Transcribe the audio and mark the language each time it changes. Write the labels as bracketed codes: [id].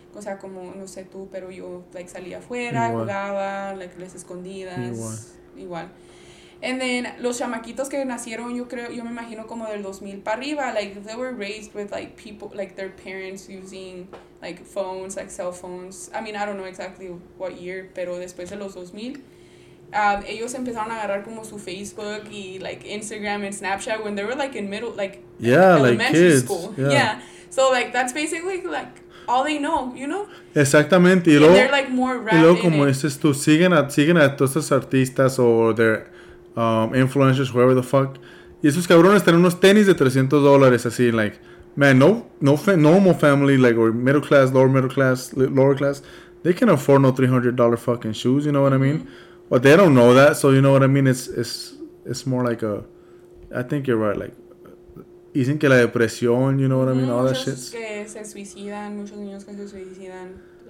[es] O sea, como, no sé tú, pero yo like salía afuera, igual. Jugaba, like las escondidas. Igual. [en] And then, [es] los chamaquitos que nacieron, yo me imagino como del 2000 para arriba, [en] like, they were raised with, like, people, like, their parents using, like, phones, like, cell phones. I mean, I don't know exactly what year, [es] pero después de los 2000, ellos empezaron a agarrar como su Facebook y, [en] like, Instagram and Snapchat when they were, like, in middle, like, yeah, elementary like kids. School. Yeah. yeah. So, like, that's basically, like... All they know, you know? [es] Exactamente. Y [en] and [es] luego, [en] they're, like, more rapid. [es] Y luego, como dices tú, siguen a todos esos artistas [en] or their... influencers, whoever the fuck. [es] Y esos cabrones tienen unos tenis de $300 así, [en] like, man, normal family, like, or middle class, lower class, they can afford no $300 fucking shoes, you know what I mean? Mm-hmm. But they don't know that, so you know what I mean? It's more like a, I think you're right, like, [es] dicen que la depresión, [en] you know what I mean? All that shit. [es] Muchos que se suicidan, muchos niños que se suicidan.